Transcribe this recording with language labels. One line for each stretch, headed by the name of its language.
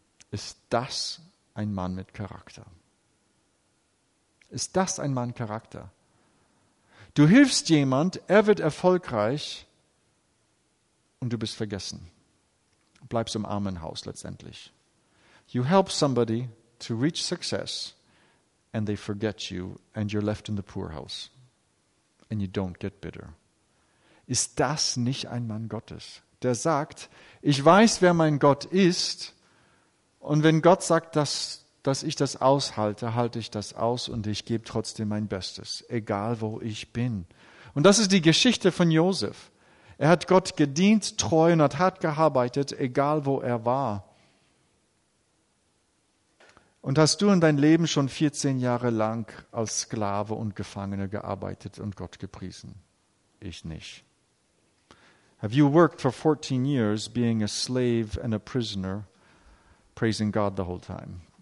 German: Ist das ein Mann mit Charakter? Ist das ein Mann Charakter? Du hilfst jemand, er wird erfolgreich und du bist vergessen. Bleibst im Armenhaus letztendlich.
English: You help somebody to reach success and they forget you and you're left in the poorhouse and you don't get bitter.
German: Ist das nicht ein Mann Gottes, der sagt, ich weiß, wer mein Gott ist und wenn Gott sagt, dass ich das aushalte, halte ich das aus und ich gebe trotzdem mein Bestes, egal wo ich bin. Und das ist die Geschichte von Josef. Er hat Gott gedient, treu und hat hart gearbeitet, egal wo er war. Und hast du in deinem Leben schon 14 Jahre lang als Sklave und Gefangene gearbeitet und Gott gepriesen? Ich nicht.
English: Have you worked for 14 years being a slave and a prisoner, praising God the whole time?